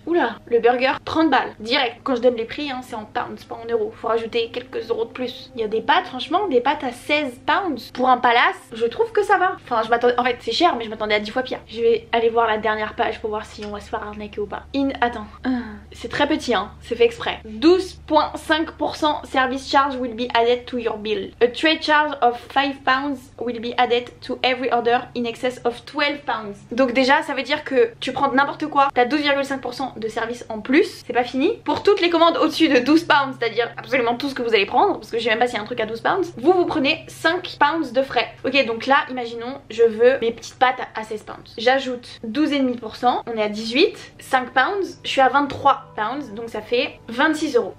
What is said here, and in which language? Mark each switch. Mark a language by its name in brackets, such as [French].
[French] Oula, le burger, 30 balles. Direct. Quand je donne les prix, hein, c'est en pounds, pas en euros. Faut rajouter quelques euros de plus. Il y a des pâtes, franchement, des pâtes à 16 pounds. Pour un palace, je trouve que ça va. Enfin, je m'attendais. En fait, c'est cher, mais je m'attendais à 10 fois pire. Je vais aller voir la dernière page pour voir si on va se faire arnaquer ou pas. Attends. C'est très petit, hein. C'est fait exprès. [English] 12,5% service charge will be added to your bill. A trade charge of 5 pounds will be added to every order in excess of 12 pounds. [French] Donc déjà, ça veut dire que tu prends n'importe quoi, t'as 12,5% de service en plus, c'est pas fini. Pour toutes les commandes au-dessus de 12 pounds, c'est-à-dire absolument tout ce que vous allez prendre, parce que je sais même pas s'il y a un truc à 12 pounds, vous prenez 5 pounds de frais. Ok, donc là, imaginons, je veux mes petites pâtes à 16 pounds. J'ajoute 12,5%, on est à 18, 5 pounds, je suis à 23 pounds, donc ça fait 26 euros.